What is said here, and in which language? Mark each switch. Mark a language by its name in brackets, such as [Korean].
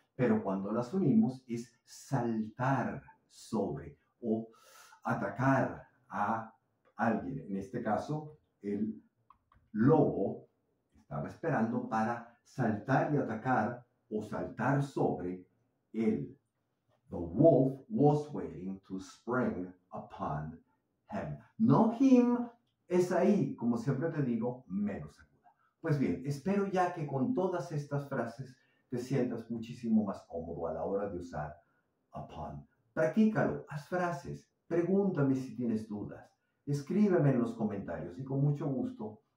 [Spanish] Pero cuando las unimos es saltar sobre o atacar a alguien. En este caso, el lobo estaba esperando para saltar y atacar o saltar sobre él. [English] The wolf was waiting to spring upon him. [Spanish] No him, es ahí, como siempre te digo, menos aguda. Pues bien, espero ya que con todas estas frases te sientas muchísimo más cómodo a la hora de usar upon. Practícalo, haz frases, pregúntame si tienes dudas, escríbeme en los comentarios y con mucho gusto